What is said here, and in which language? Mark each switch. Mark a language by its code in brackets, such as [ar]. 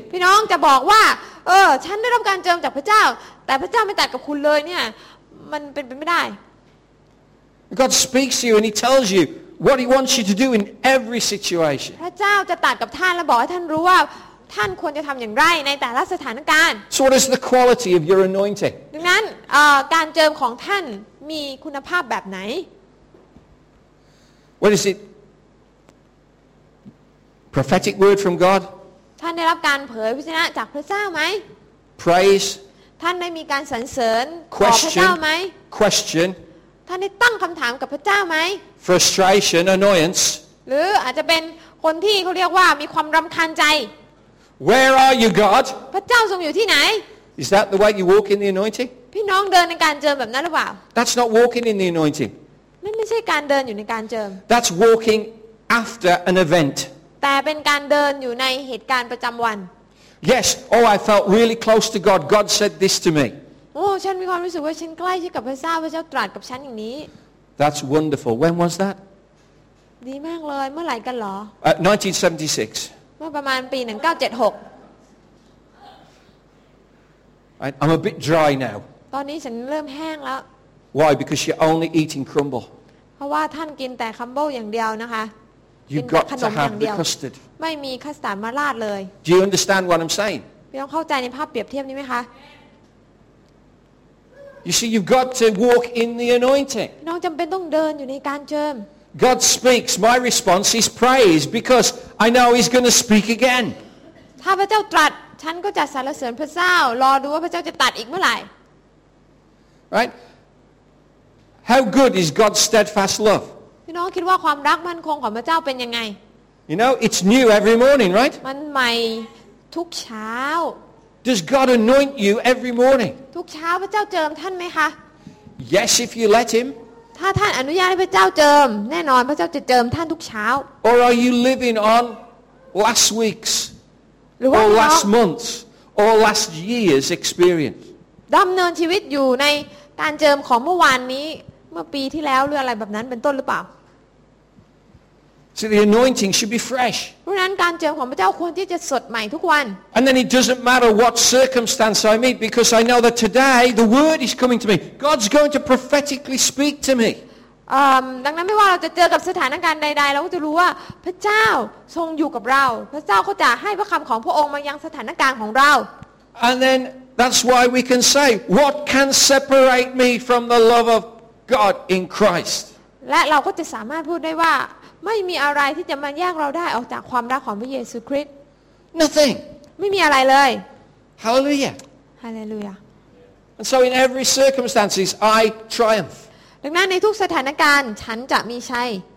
[th] พี่น้องจะบอกว่าฉันได้รับการเจิมจากพระเจ้าแต่พระเจ้าไม่ตรัสกับคุณเลยเนี่ยมันเป็นไม่ได้ [en] God speaks to you and he tells you what he wants you to do in every situation. [th] พระเจ้าจะตรัสกับท่านและบอกให้ท่านรู้ว่าท่านควรจะทำอย่างไรในแต่ละสถานการณ์ [en] So what is the quality of your anointing? [th] ดังนั้นการเจิมของท่านมีคุณภาพแบบไหน [en] What is it? Prophetic word from God? [th] ท่านได้รับการเผยพระวจนะจากพระเจ้าไหม [en] Praise? [th] ท่านได้มีการสรรเสริญต่อพระเจ้าไหม [en] Question? [th] ท่านได้ตั้งคำถามกับพระเจ้าไหม [en] Frustration, annoyance? [th] หรืออาจจะเป็นคนที่เขาเรียกว่ามีความรำคาญใจ [en] Where are you, God? [th] พระเจ้าทรงอยู่ที่ไหน [en] Is that the way you walk in the anointing? [th] พี่น้องเดินในการเจิมแบบนั้นหรือเปล่า [en] That's not walking in the anointing. [th] นั่นไม่ใช่การเดินอยู่ในการเจิม [en] That's walking after an event. [th] แต่เป็นการเดินอยู่ในเหตุการณ์ประจำวัน [en] Yes. Oh, I felt really close to God. God said this to me. [th] โอ้ฉันมีความรู้สึกว่าฉันใกล้ชิดกับพระเจ้าพระเจ้าตรัสกับฉันอย่างนี้ [en] That's wonderful. When was that? [th] ดีมากเลยเมื่อไหร่กันหรอ [en] 1976. [th] เมื่อประมาณปี1976 [en] I'm a bit dry now [th] ตอนนี้ฉันเริ่มแห้งแล้ว [en] Why because you're only eating crumble [th] เพราะว่าท่านกินแต่ครัมเบิลอย่างเดียวนะคะ [en] You got to have the custard [th] ไม่มีคัสตาร์ดมาราดเลย [en] Do you understand what I'm saying [th] พี่น้องเข้าใจในภาพเปรียบเทียบนี้ไหมคะ [en] You see you've got to walk in the anointing [th] น้องจำเป็นต้องเดินอยู่ในการเจิม [en] God speaks. My response is praise because I know He's going to speak again. [th] ถ้าพระเจ้าตรัสฉันก็จะสรรเสริญพระเจ้ารอดูว่าพระเจ้าจะตรัสอีกเมื่อไหร่ [en] Right? How good is God's steadfast love? [th] พี่น้องคิดว่าความรักมั่นคงของพระเจ้าเป็นยังไง [en] You know, it's new every morning, right? [th] มันใหม่ทุกเช้า [en] Does God anoint you every morning? [th] ทุกเช้าพระเจ้าเจิมท่านไหมคะ [en] Yes, if you let Him. [th] ถ้าท่านอนุญาตให้พระเจ้าเจิมแน่นอนพระเจ้าจะเจิมท่านทุกเช้า [en] Or are you living on last week's or last month's or last year's experience [th] ดำเนินชีวิตอยู่ในการเจิมของเมื่อวานนี้เมื่อปีที่แล้วหรืออะไรแบบนั้นเป็นต้นหรือเปล่า [en] So the anointing should be fresh. [th] เพราะฉะนั้นการเจิมของพระเจ้าควรที่จะสดใหม่ทุกวัน [en] And then it doesn't matter what circumstance I meet because I know that today the word is coming to me. God's going to prophetically speak to me. [th] ดังนั้นไม่ว่าเราจะเจอกับสถานการณ์ใดๆเราก็จะรู้ว่าพระเจ้าทรงอยู่กับเราพระเจ้าก็จะให้พระคำของพระองค์มายังสถานการณ์ของเรา [en] And then that's why we can say what can separate me from the love of God in Christ. [th] และเราก็จะสามารถพูดได้ว่าไม่มีอะไรที่จะมาแยกเราได้ออกจากความรักของพระเยซูคริสต์ [en] Nothing [th] ไม่มีอะไรเลย [en] Hallelujah Hallelujah And so in every circumstances I triumph [th] ดังนั้นในทุกสถานการณ์ฉันจะมีชัย